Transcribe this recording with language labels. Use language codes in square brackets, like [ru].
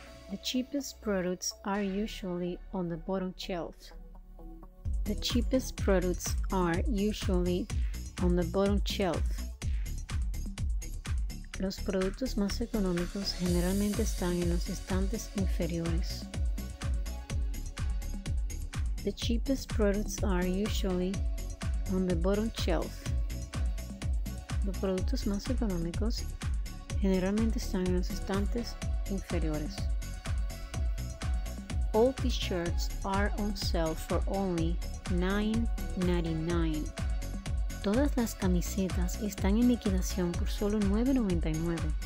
[en] The cheapest products are usually on the bottom shelf. The cheapest products are usually on the bottom shelf. [es] Los productos más económicos generalmente están en los estantes inferiores. [en] The cheapest products are usually on the bottom shelf. [es] Los productos más económicos generalmente están en los estantes inferiores. [en] All t-shirts are on sale for only $9.99. [es] Todas las camisetas están en liquidación por solo $9.99.